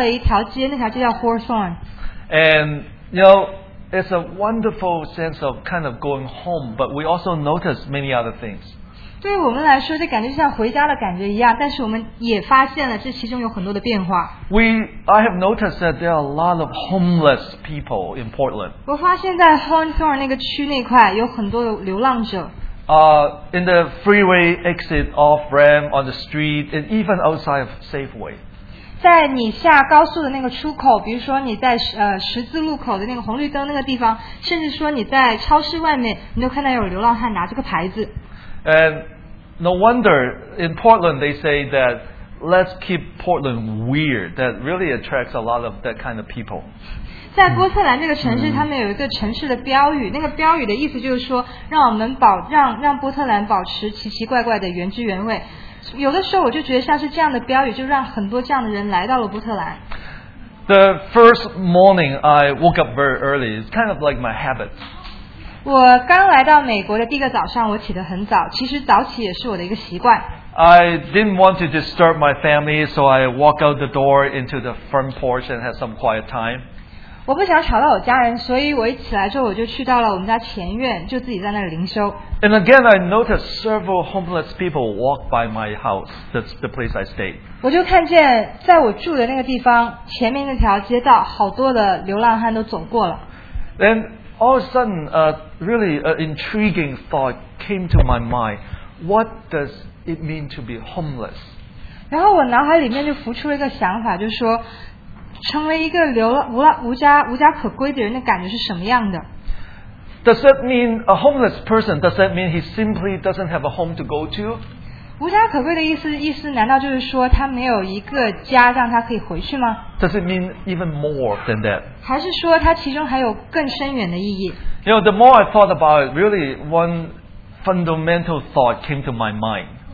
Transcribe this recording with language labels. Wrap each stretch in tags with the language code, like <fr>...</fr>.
<zh>后来我们就开车去到了波特兰这个城市，我们待的地方，然后我们去到了一条街，那条街叫Hawthorne.</zh> <en>And, you know, it's a wonderful sense of kind of going home, but we also notice many other things.</en> <zh>对于我们来说，这感觉就像回家的感觉一样，但是我们也发现了这其中有很多的变化。</zh> <en>I have noticed that there are a lot of homeless people in Portland.</en> <zh>我发现在Hawthorne那个区那块有很多流浪者。</zh> <en>In the freeway exit off ramp, on the street, and even outside of Safeway.</en> <zh>在你下高速的那个出口，比如说你在十字路口的那个红绿灯那个地方，甚至说你在超市外面，你都看到有流浪汉拿这个牌子。</zh> <en>And no wonder in Portland they say that let's keep Portland weird. That really attracts a lot of that kind of people.</en> <zh>在波特兰这个城市，他们有一个城市的标语，那个标语的意思就是说，让我们保让波特兰保持奇奇怪怪的原汁原味。有的时候我就觉得像是这样的标语，就让很多这样的人来到了波特兰。</zh> <en>The first morning I woke up very early. It's kind of like my habit.</en> <zh>我刚来到美国的第一个早上，我起得很早。其实早起也是我的一个习惯。</zh> <en>I didn't want to disturb my family, so I walk out the door into the front porch and had some quiet time.</en> <zh>我不想吵到我家人，所以我一起来之后，我就去到了我们家前院，就自己在那里灵修。</zh> <en>And again, I noticed several homeless people walk by my house. That's the place I stayed.</en> <zh>我就看见在我住的那个地方前面那条街道，好多的流浪汉都走过了。</zh> <en>And all of a sudden, really an intriguing thought came to my mind. What does it mean to be homeless?</en> <zh>然后我脑海里面就浮出了一个想法，就是说。成为一个无家可归的人的感觉是什么样的？</zh> <en>Does that mean a homeless person? Does that mean he simply doesn't have a home to go to?</en> <zh>无家可归的意思难道就是说他没有一个家让他可以回去吗？</zh> <en>Does it mean even more than that?</en> <zh>还是说他其中还有更深远的意义？</zh> <en>You know, the more I thought about it, really one fundamental thought came to my mind.</en>